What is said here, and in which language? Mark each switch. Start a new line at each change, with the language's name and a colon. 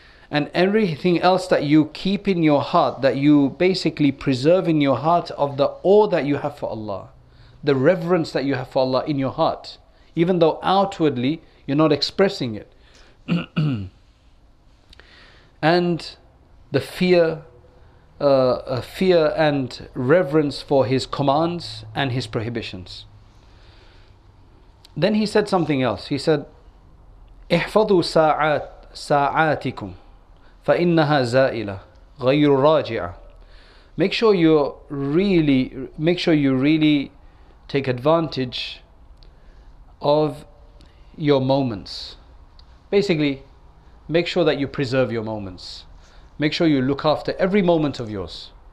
English: And everything else that you keep in your heart, that you basically preserve in your heart of the awe that you have for Allah, the reverence that you have for Allah in your heart, even though outwardly you're not expressing it. And the fear and reverence for his commands and his prohibitions. Then he said something else. He said,
Arabic: احفظوا ساعاتكم فإنها زائلة غير راجعة.
English: Make sure you really take advantage of your moments. Basically, make sure that you preserve your moments. Make sure you look after every moment of yours.